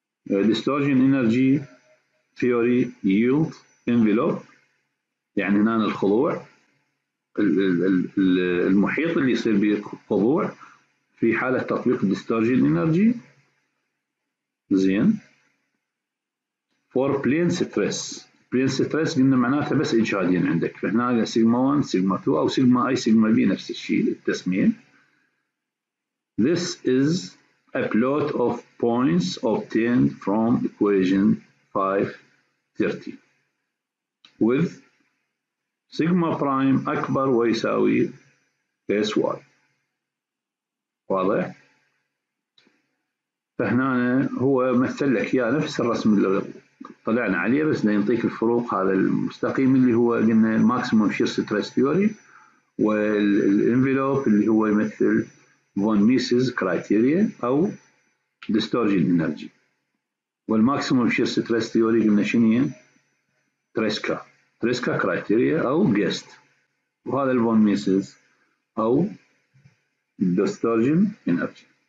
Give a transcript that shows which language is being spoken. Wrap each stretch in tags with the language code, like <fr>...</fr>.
<en>distortion energy theory yield envelope،</en> <ar>يعني هنا الخضوع المحيط اللي يصير به خضوع في حالة تطبيق distortion energy زين</ar> <en>for plane stress.</en> <ar>plane stress قلنا معناتها بس إجهادين عندك، فهنا سيجما 1 سيجما 2 أو سيجما I سيجما B نفس الشيء التسمية.</ar> <en>This is a plot of points obtained from equation 530 with sigma prime</en> <ar>أكبر ويساوي</ar> <en>S y.</en> <ar>واضح؟ فهنا هو مثل لك يا نفس الرسم اللي طلعنا عليه، بس لينطيك الفروق. هذا المستقيم اللي هو قلنا</ar> <en>maximum shear stress theory،</en> <ar>والانفلوب اللي هو يمثل فون ميسز كرايتيريا او ديستورجن انرجي، والماكسيموم شير ستريس ثيوري قلنا شنو؟ تريسكا كرايتيريا او جيست، وهذا الفون ميسز او ديستورجن انرجي.</ar>